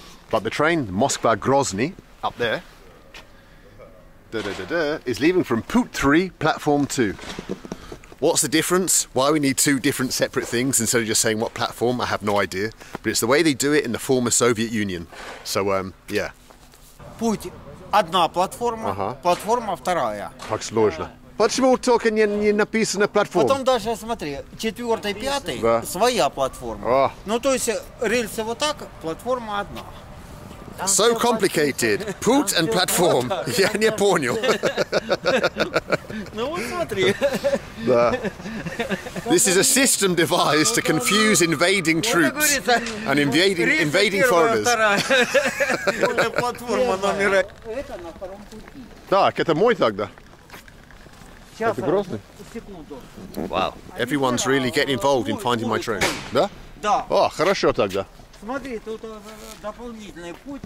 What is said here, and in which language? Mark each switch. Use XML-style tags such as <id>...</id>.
<en>But the train, Moskva-Grozny, up there, is leaving from poot 3, platform 2. What's the difference? Why we need two different separate things instead of just saying what platform? I have no idea. But it's the way they do it in the former Soviet Union. So, yeah.</en> <ru>Poot, одна платформа, платформа вторая. Как сложно. Почему только не написано платформа? Потом даже, смотри, четвертый, пятый, да. Своя платформа. О. Ну, то есть, рельсы вот так, платформа одна.</ru> <en>So complicated.</en> <ru>Путь</ru> <en>and platform.</en> <ru>Я не понял. Ну вот смотри. Да.</ru> <en>This is a system devised to confuse invading troops and invading foreigners.</en> <ru>Платформа номер. Это на втором пути. Так, это мой тогда. Это Грозный?</ru> <en>Wow. Everyone's really getting involved in finding my train.</en> <ru>Да? Да. О, хорошо тогда. Смотри, тут дополнительный путь.</ru>